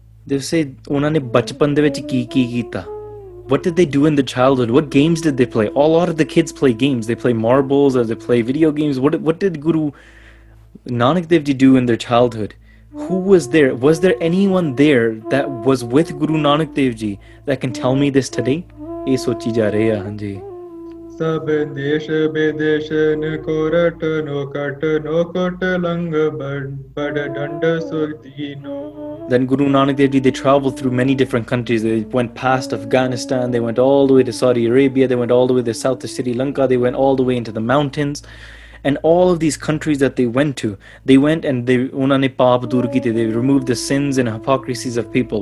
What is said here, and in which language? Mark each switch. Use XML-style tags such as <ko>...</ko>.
<en>They say</en> <pa>ਉਹਨਾਂ ਨੇ ਬਚਪਨ ਦੇ ਵਿੱਚ ਕੀ ਕੀ ਕੀਤਾ.</pa> <en>What did they do in the childhood? What games did they play? All lot of the kids play games. They play marbles or they play video games. What did Guru Nanak Dev Ji do in their childhood? Who was there? Was there anyone there that was with Guru Nanak Dev Ji that can tell me this today?</en> <pa>ਇਹ ਸੋਚੀ ਜਾ ਰਹੇ ਆ ਹਾਂਜੀ. ਸਭ ਦੇਸ਼ ਬਿਦੇਸ਼ਨ court ਨੋ ਕਟ ਨੋ ਕਟ ਲੰਗ ਬੜ ਡੰਡ ਸੁਰਦੀ ਨੋ.</pa> <en>Then Guru Nanak Dev Ji, they traveled through many different countries. They went past Afghanistan, they went all the way to Saudi Arabia, they went all the way to the south of Sri Lanka, they went all the way into the mountains. And all of these countries that they went to, they went and they</en> <pa>unane paap dur kite,</pa> <en>they removed the sins and hypocrisies of people.</en>